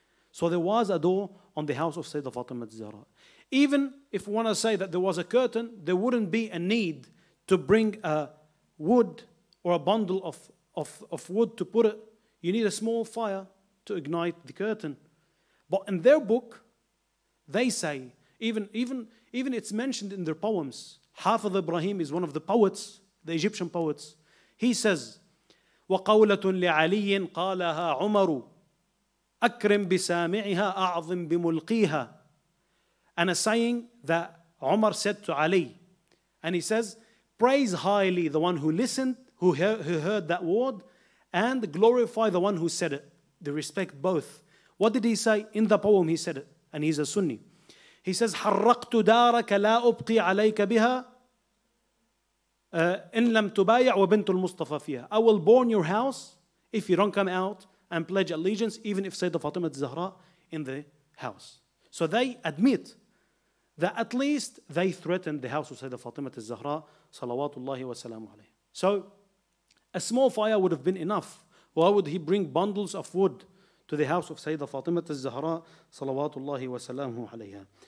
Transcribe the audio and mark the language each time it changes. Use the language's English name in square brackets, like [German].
[English] So there was a door on the house of Sayyidina Fatima Zahra. Even if we want to say that there was a curtain, there wouldn't be a need to bring a wood or a bundle of wood to put it. You need a small fire to ignite the curtain. But in their book, they say, even it's mentioned in their poems, Hafiz Ibrahim is one of the poets, the Egyptian poets. [Arabic] He says, وَقَوْلَةٌ لِعَلِيٍّ قَالَهَا عُمَرُ أَكْرِمْ بِسَامِعِهَا أَعْظِمْ بِمُلْقِيهَا. [English] And a saying that Umar said to Ali, and he says, praise highly the one who listened, who heard that word, and glorify the one who said it. They respect both. What did he say? In the poem he said it, and he's a Sunni. [Arabic] He says, حَرَّقْتُ دَارَكَ لَا أُبْقِي عَلَيْكَ بِهَا إِن لَمْ تُبَايَعْ وَبِنْتُ الْمُصْطَفَى فِيهَا. [English] I will burn your house if you don't come out and pledge allegiance, even if Sayyidina Fatima Zahra in the house. So they admit that at least they threatened the house of Sayyidina Fatima al-Zahra, salawatullahi wa salamu alayhi. So a small fire would have been enough. Why would he bring bundles of wood to the house of Sayyidina Fatima al-Zahra, salawatullahi wa salamu alayhi?